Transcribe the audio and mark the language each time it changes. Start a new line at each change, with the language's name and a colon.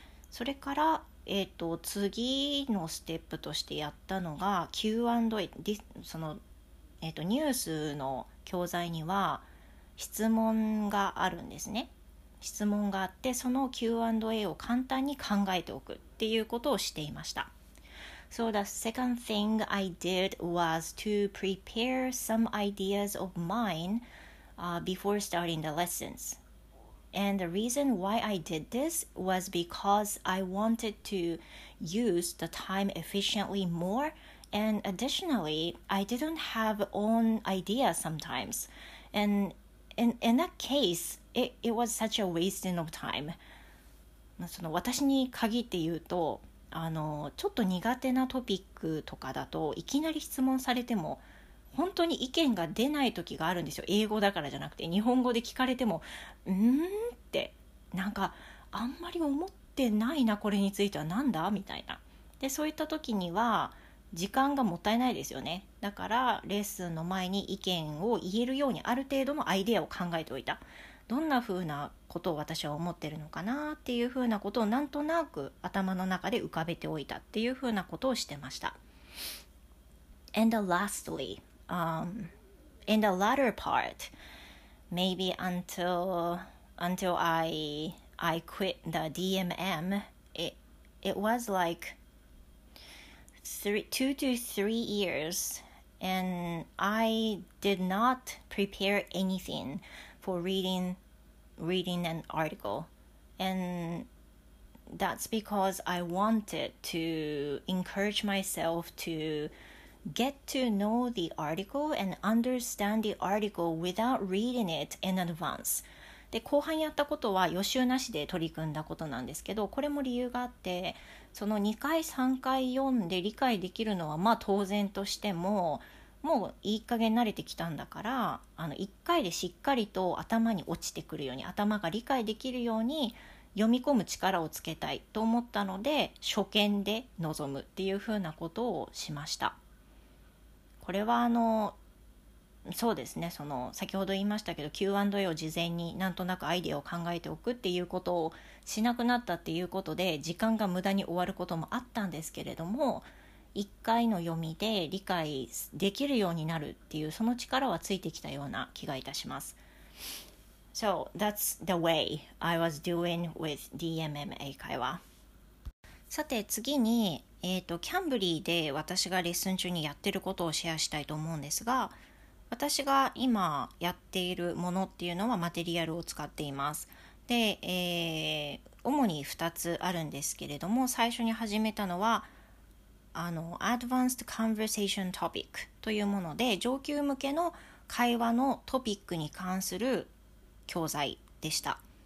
Japanese: それから、次のステップとしてやったのが Q&A、 その、ニュースの教材には質問があるんですね。質問があって、その Q&A を簡単に考えておくっていうことをしていました。
English: So the second thing I did was to prepare some ideas of mine before starting the lessons. And the reason why I did this was because I wanted to use the time efficiently more. And additionally, I didn't have own ideas sometimes. And in that case, it was such a wasting of time.
Japanese: その私に限って言うと、ちょっと苦手なトピックとかだと、いきなり質問されても本当に意見が出ない時があるんですよ。英語だからじゃなくて、日本語で聞かれても、うーんってなんかあんまり思ってないな、これについてはなんだみたいな。でそういった時には時間がもったいないですよね。だからレッスンの前に意見を言えるようにある程度のアイデアを考えておいた。どんな風なことを私は思ってるのかなっていう風なことをなんとなく頭の中で浮かべておいたっていう風なことをしてました。
English: And lastly, in the latter part, maybe until I quit the DMM, it was like two to three years, and I did not prepare anything for reading an article, and that's because I wanted to encourage myself to get to know the article and understand the article without reading it in advance.
Japanese: で後半やったことは予習なしで取り組んだことなんですけど、これも理由があって、その2回3回読んで理解できるのはまあ当然としても、もういい加減慣れてきたんだから、あの1回でしっかりと頭に落ちてくるように、頭が理解できるように読み込む力をつけたいと思ったので、初見で臨むっていうふうなことをしました。これはあの、そうですね、その先ほど言いましたけど、 Q&A を事前になんとなくアイデアを考えておくっていうことをしなくなったっていうことで時間が無駄に終わることもあったんですけれども、1回の読みで理解できるようになるっていう、その力はついてきたような気がいたします。
English: So that's the way I was doing with DMM 英会話。
Japanese: さて次に、キャンブリーで私がレッスン中にやってることをシェアしたいと思うんですが、私が今やっているものっていうのはマテリアルを使っています。で、主に2つあるんですけれども、最初に始めたのは、Advanced Conversation Topic というもので、上級向けの会話のトピックに関する教材でした。